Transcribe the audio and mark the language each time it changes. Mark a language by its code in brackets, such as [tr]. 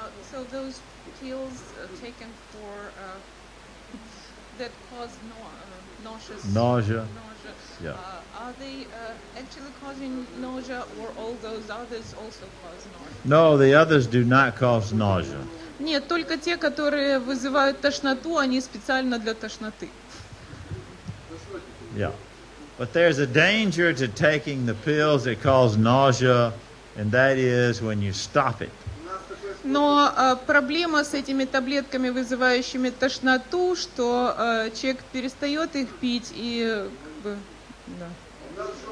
[en] So those pills taken for that cause nausea. Yeah. Are they actually causing nausea, or all those others also cause nausea? No, the others do not cause nausea. [ru] Нет, только те, которые вызывают тошноту, они специально для тошноты. [en] Yeah. But there's a danger to taking the pills that cause nausea, and that is when you stop it. [ru] Но проблема с этими таблетками, вызывающими тошноту, что человек перестает их пить и... Да.